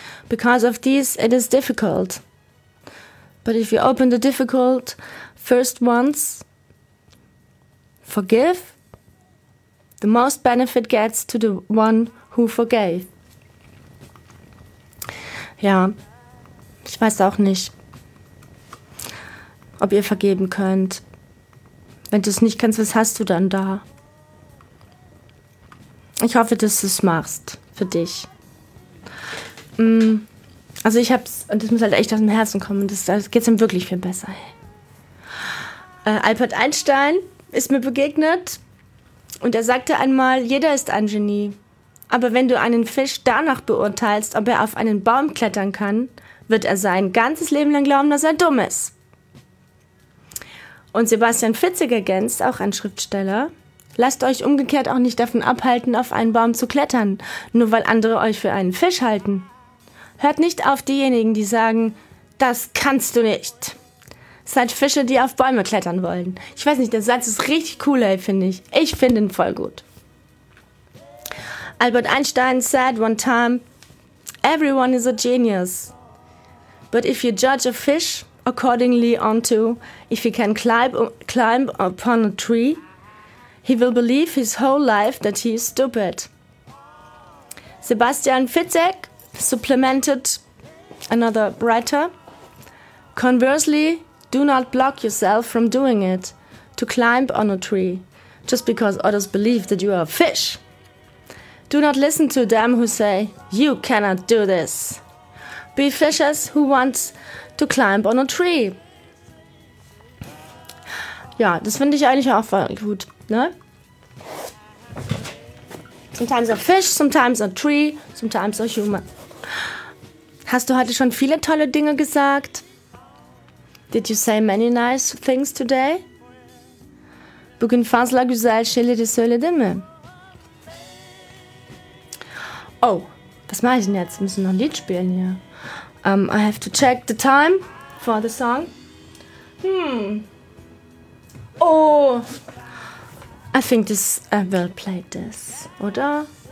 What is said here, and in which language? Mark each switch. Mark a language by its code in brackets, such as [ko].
[en] Because of these, it is difficult. But if you open the difficult first ones, forgive, the most benefit gets to the one who forgave. [de] Ja, ich weiß auch nicht, ob ihr vergeben könnt. Wenn du es nicht kannst, was hast du dann da? Ich hoffe, dass du es machst für dich. Also ich hab's, und das muss halt echt aus dem Herzen kommen, das geht's ihm wirklich viel besser. Albert Einstein ist mir begegnet und er sagte einmal, jeder ist ein Genie. Aber wenn du einen Fisch danach beurteilst, ob er auf einen Baum klettern kann, wird er sein ganzes Leben lang glauben, dass er dumm ist. Und Sebastian Fitzek ergänzt, auch ein Schriftsteller, lasst euch umgekehrt auch nicht davon abhalten, auf einen Baum zu klettern, nur weil andere euch für einen Fisch halten. Hört nicht auf diejenigen, die sagen, das kannst du nicht. Seid Fische, die auf Bäume klettern wollen. Ich weiß nicht, der Satz ist richtig cool, ey, finde ich. Ich finde ihn voll gut. [en] Albert Einstein said one time, everyone is a genius. But if you judge a fish accordingly onto if he can climb upon a tree, he will believe his whole life that he is stupid. Sebastian Fitzek supplemented another writer. Conversely, do not block yourself from doing it, to climb on a tree, just because others believe that you are a fish. Do not listen to them who say, you cannot do this. Be fishers who want to climb on a tree. [de] Ja, das finde ich eigentlich auch voll gut, ne? [en] Sometimes a fish, sometimes a tree, sometimes a human. [de] Hast du heute schon viele tolle Dinge gesagt? [en] Did you say many nice things today? [tr] Bugün fanz la güzel şeyleri de söyledin mi? [de] Oh, was mache ich denn jetzt? Wir müssen noch ein Lied spielen hier. [en] I have to check the time for the song. Oh, I think this, I will play this, [de] oder?